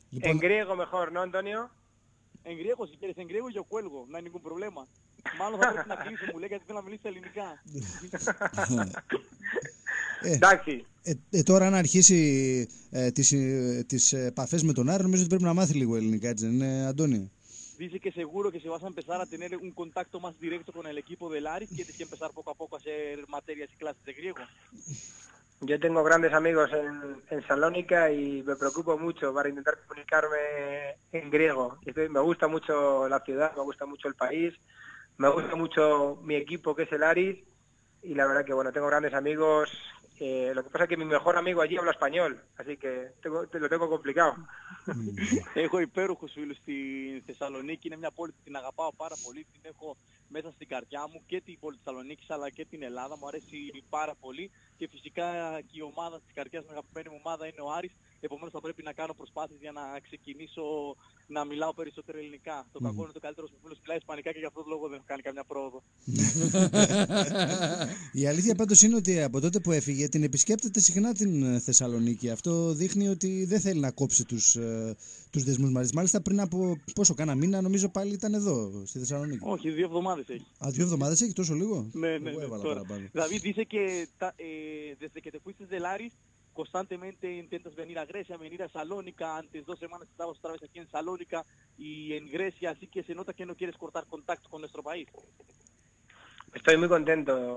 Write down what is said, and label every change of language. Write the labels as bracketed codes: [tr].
[es] En griego mejor, ¿no, Antonio? En griego, si quieres, en griego yo cuelgo. No hay ningún problema. [el] Μάλλον θα πρέπει να κλείσω, μου λέει, γιατί θέλω να μιλήσω ελληνικά. Εντάξει. Τώρα, αν αρχίσει τις επαφές με τον Άρη, νομίζω ότι πρέπει να μάθει λίγο ελληνικά, έτσι δεν είναι, Αντώνη? [es] Dice que seguro que se vas a empezar a tener un contacto más directo con el equipo del Aris, que tienes que empezar poco a poco a hacer materias y clases de griego. Yo tengo grandes amigos en Salónica y me preocupo mucho para intentar comunicarme en griego. Me gusta mucho la ciudad, me gusta mucho el país, me gusta mucho mi equipo que es el Aris y la verdad que bueno, tengo grandes amigos. Lo que pasa es que mi mejor amigo allí habla español, así que lo tengo complicado. [el] Έχω υπέροχους φίλους στην Θεσσαλονίκη, είναι μια πόλη που την αγαπάω πάρα πολύ, την έχω μέσα στην καρδιά μου και την πόλη της Θεσσαλονίκης αλλά και την Ελλάδα, μου αρέσει πάρα πολύ και φυσικά και η ομάδα της καρδιάς μου, η αγαπημένη μου ομάδα είναι ο Άρης, επομένως θα πρέπει να κάνω προσπάθειες για να ξεκινήσω να μιλάω περισσότερο ελληνικά. Το κακό είναι το καλύτερο μου φίλος μιλάει ισπανικά και γι' αυτό το λόγο δεν έχω κάνει καμιά πρόοδο. Η αλήθεια πάντως είναι ότι από τότε που έφυγε την επισκέπτεται συχνά την Θεσσαλονίκη. Αυτό δείχνει ότι δεν θέλει να κόψει τους δεσμούς μαζί. Μάλιστα πριν από πόσο, κάνα μήνα, νομίζω πάλι ήταν εδώ στη Θεσσαλονίκη. Όχι, δύο εβδομάδες έχει. Α, δύο εβδομάδες έχει, τόσο λίγο. Ναι. Δηλαδή, είσαι και [es] desde que te fuiste del Aris. Constantemente intentas venir a Grecia, venir a Salónica. Antes dos semanas estabas otra vez aquí en Salónica y en Grecia, así que se nota que no quieres cortar contacto con nuestro país. Estoy muy contento.